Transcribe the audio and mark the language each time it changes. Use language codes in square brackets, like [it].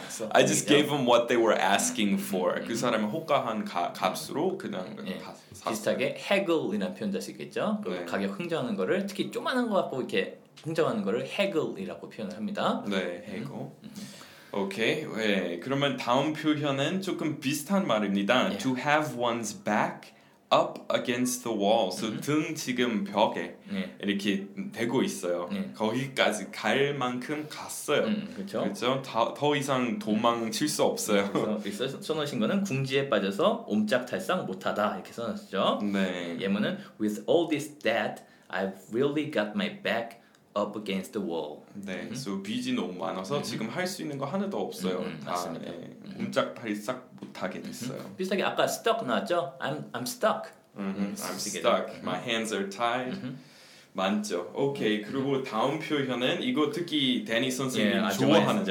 [en] I just gave them what they were asking for. [ko] 그 사람이 호가한 값으로 그냥 샀어. 비슷하게 haggle이라는 표현도 할 수 있겠죠. 가격 흥정하는 거를 특히 조그만한 거 갖고 이렇게 흥정하는 거를 haggle이라고 표현을 합니다. 네, haggle. 오케이. 그러면 다음 표현은 조금 비슷한 말입니다. [en] To have one's back. Up against the wall. [ko] So 등 지금 벽에 이렇게 대고 있어요. 거기까지 갈 만큼 갔어요. 그렇죠? 더 이상 도망칠 수 없어요. 그래서 써놓으신 거는 궁지에 빠져서 옴짝달싹 못하다 이렇게 써놨죠. 네. [en] 예문은 With all this debt, I've really got my back up against the wall. [ko] 네. So 빚이 너무 많아서 지금 할 수 있는 거 하나도 없어요. 맞습니다. 네. 움짝달싹 못하게 됐어요. 비슷하게 아까 stuck 나왔죠? [en] I'm stuck. I'm stuck. My hands are tied. [ko] 많죠. [en] 오케이. [ko] 그리고 다음 표현은 이거 특히 데니 선생님 좋아하는